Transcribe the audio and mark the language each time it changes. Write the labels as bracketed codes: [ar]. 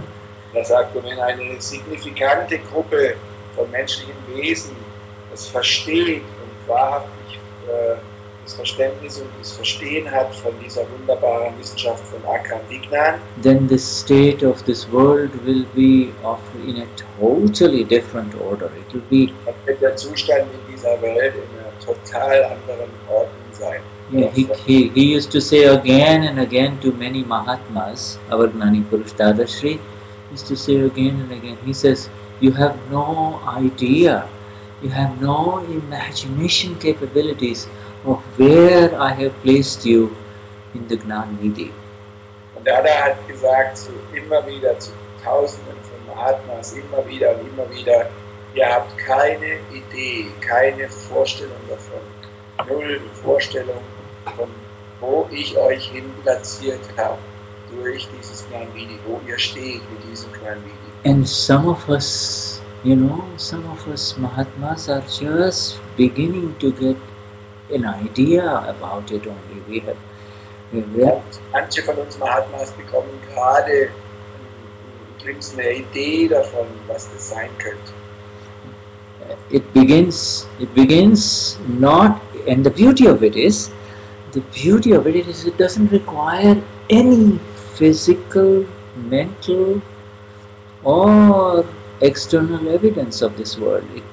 [en] when a significant group of [de] menschlichen Wesen das versteht und wahrhaftig Verständnis und das Verstehen hat von dieser wunderbaren Wissenschaft von Akram Vignan, [en] then the state of this world will be of in a totally different order. It will be [de] der Zustand in dieser Welt in einer total anderen Ordnung sein. [en] Yeah, he used to say again and again to many Mahatmas, our Gnani Purush Dadashri used to say again and again, he says, you have no idea, you have no imagination capabilities of where I have placed you in the Gnan Nidhi. [de] Und Dada hat gesagt, so immer wieder zu tausenden von Mahatmas, immer wieder und immer wieder, ihr habt keine Idee, keine Vorstellung davon, null Vorstellung von wo ich euch hin platziert habe durch dieses Gnan Nidhi, wo ihr steht mit diesem Gnan Nidhi. [en] And some of us, you know, some of us Mahatmas are just beginning to get an idea about it only. [de] Manche von uns Mahatmas bekommen gerade eine Idee davon, was das sein könnte. [en] It begins not, and the beauty of it is it doesn't require any physical, mental or external evidence of this world.